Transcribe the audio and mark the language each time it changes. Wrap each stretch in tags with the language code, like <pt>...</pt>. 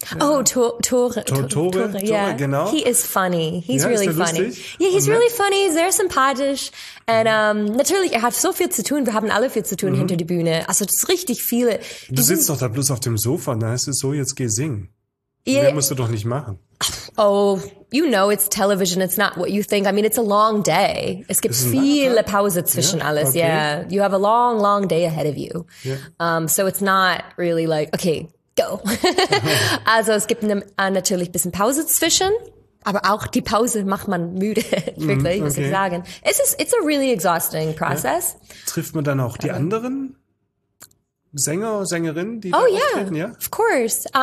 <en>Oh, Tore, yeah. Genau. He is funny. He's really funny.</en> <de>Lustig?</de> <en>Yeah, he's really funny,</en> <de>sehr sympathisch. And natürlich, er hat so viel zu tun, wir haben alle viel zu tun hinter die Bühne. Also das ist richtig viele. Du sitzt doch da bloß auf dem Sofa und dann heißt es so, jetzt geh singen. Yeah. Mehr musst du doch nicht machen.</de> <en>Oh, you know it's television, it's not what you think. I mean, it's a long day.</en> <de>Es gibt viele Pause zwischen alles,</de> <en>okay. Yeah. You have a long, long day ahead of you. Yeah. So it's not really like, okay, go.</en> <de>Also es gibt natürlich ein bisschen Pause zwischen, aber auch die Pause macht man müde, wirklich, muss ich sagen.</de> <en>It's a really exhausting process.</en> <de>Ja. Trifft man dann auch die anderen Sänger, Sängerinnen, die auftreten, ja?</de> <en>Of course.</en>